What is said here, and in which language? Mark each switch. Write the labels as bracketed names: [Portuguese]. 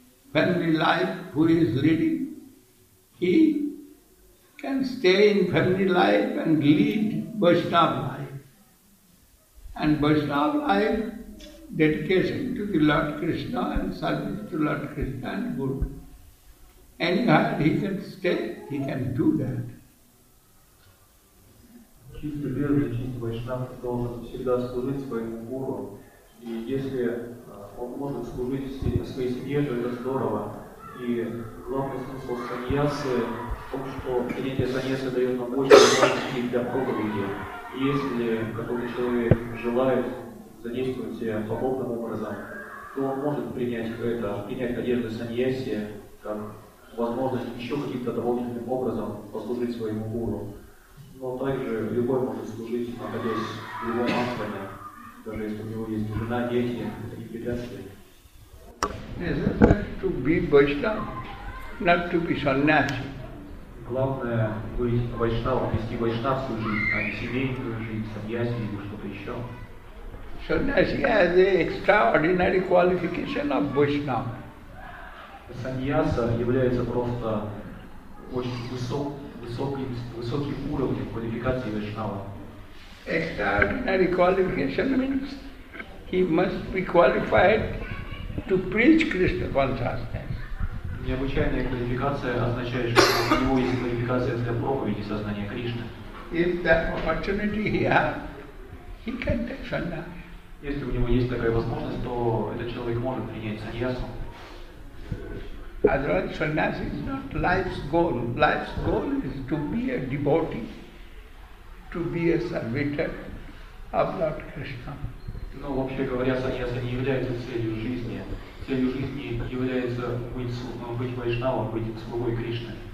[English] When we like who is leading, he can stay in family life and lead Vaishnava life. And Vaishnava life, dedication to the Lord Krishna and service to Lord Krishna and Guru. Anyhow, he can stay, he can do that. [Russian] Чистый верный, чистый вайшнав должен всегда служить своему гуру. И если он может служить своей семье, то это здорово. И главный смысл саньясы в том, что принятие саньясы дает нам больше возможностей для проповеди. И если какой-то человек желает задействовать себя подобным образом, то он может принять одежду саньяси как возможность еще каким-то дополнительным образом послужить своему гуру. Но также любой может служить, находясь в любом ашраме, даже если у него есть жена, дети, и препятствия. [English] To be Vaishnava, not to be sannyasi. [Russian] Главное быть вайшнавом, вести вайшнавскую жизнь, а не семейную жизнь, сабьяси или что-то еще. [English] Sannyasi has an extraordinary qualification of Vaishnava. [Russian] Саньяса является просто очень высоким уровнем квалификации вайшнава. [English] Extraordinary qualification means he must be qualified to preach Krishna consciousness. [Russian] Необычайная квалификация означает, что у него есть квалификация для проповеди сознания Кришны. [English] If that opportunity he has, he can take sannyas. [Russian] Если у него есть такая возможность, то этот человек может принять саньясу. [English] Otherwise, sannyas is not life's goal. Life's goal is to be a devotee, to be a servitor of Lord Krishna. [Russian] Ну, вообще говоря, саньяса не является целью жизни. Целью жизни является быть вайшнавом, быть слугой Кришны.